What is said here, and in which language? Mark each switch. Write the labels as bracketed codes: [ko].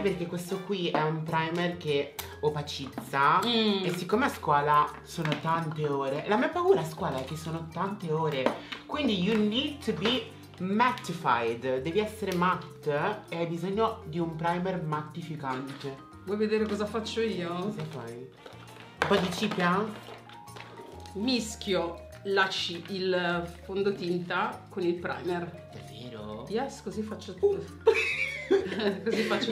[it] Perché questo qui è un primer che opacizza. E siccome a scuola sono tante ore, la mia paura a scuola è che sono tante ore. Quindi [en] you need to be mattified. [it] Devi essere matte e hai bisogno di un primer mattificante. Vuoi vedere cosa faccio io? Cosa fai? Un po' di cipria? Mischio lasci il fondotinta con il primer. Davvero? [en] Yes, [it] così faccio così faccio.